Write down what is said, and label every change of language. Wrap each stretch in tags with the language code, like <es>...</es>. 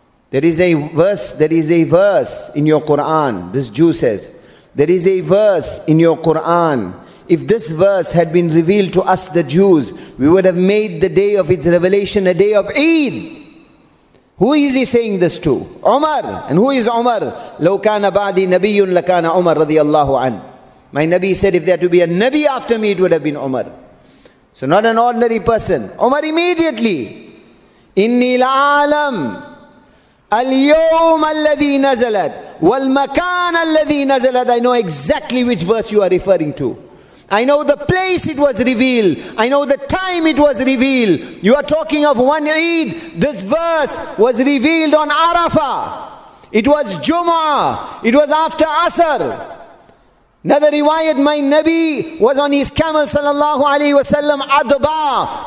<en>There is a verse in your Quran, this Jew says, there is a verse in your Quran. If this verse had been revealed to us, the Jews, we would have made the day of its revelation a day of Eid. Who is he saying this to? Umar. And who is Umar?</en> <ar>لو كان بعدي نبي لكان عمر رضي الله عنه.</ar> <en>My Nabi said, if there to be a Nabi after me, it would have been Umar. So not an ordinary person. Umar immediately.</en> <ar>إني لعالم اليوم الذي نزلت والمكان الذي نزلت.</ar> <en>I know exactly which verse you are referring to. I know the place it was revealed. I know the time it was revealed. You are talking of one Eid. This verse was revealed on Arafah. It was Jum'ah. It was after Asr. Another riwayat, my Nabi was on his camel, sallallahu alayhi wa sallam, Adba.</en>